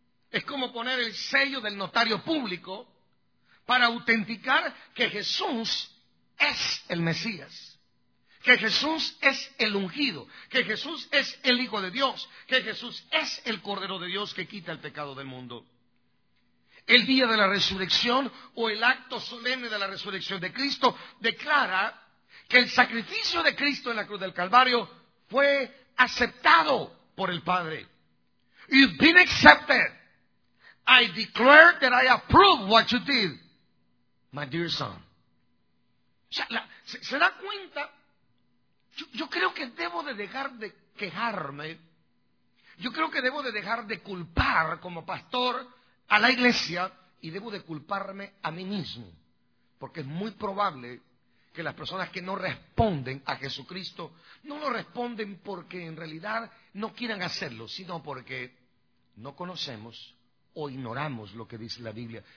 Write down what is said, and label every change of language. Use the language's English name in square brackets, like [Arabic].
[Spanish] Es como poner el sello del notario público para autenticar que Jesús es el Mesías, que Jesús es el ungido, que Jesús es el Hijo de Dios, que Jesús es el Cordero de Dios que quita el pecado del mundo. El día de la resurrección o el acto solemne de la resurrección de Cristo declara que el sacrificio de Cristo en la cruz del Calvario fue aceptado por el Padre. [English] You've been accepted. I declare that I approve what you did, my dear son. [Spanish] O sea, ¿se da cuenta? Yo creo que debo de dejar de quejarme. Yo creo que debo de dejar de culpar como pastor a la iglesia y debo de culparme a mí mismo. Porque es muy probable que las personas que no responden a Jesucristo no lo responden porque en realidad no quieran hacerlo, sino porque no conocemos o ignoramos lo que dice la Biblia.